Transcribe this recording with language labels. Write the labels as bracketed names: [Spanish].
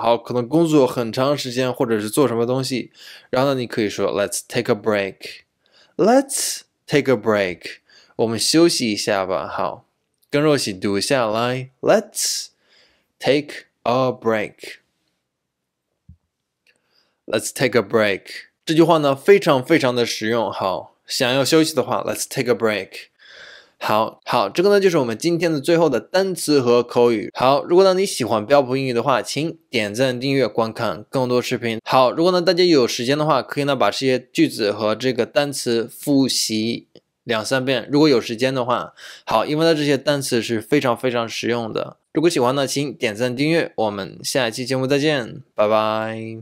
[Chinese] 好，可能工作很长时间，或者是做什么东西，然后呢，你可以说 [English] Let's take a break. Let's take a break. [Chinese] 我们休息一下吧。好，跟着一起读一下来。 [English] Let's take a break. Let's take a break. [Chinese] 这句话呢非常非常的实用。好，想要休息的话 ， [English] Let's take a break. [Chinese] 好好，这个呢就是我们今天的最后的单词和口语。好，如果呢你喜欢标普英语的话，请点赞、订阅、观看更多视频。好，如果呢大家有时间的话，可以呢把这些句子和这个单词复习两三遍。如果有时间的话，好，因为呢这些单词是非常非常实用的。如果喜欢呢，请点赞、订阅。我们下一期节目再见，拜拜。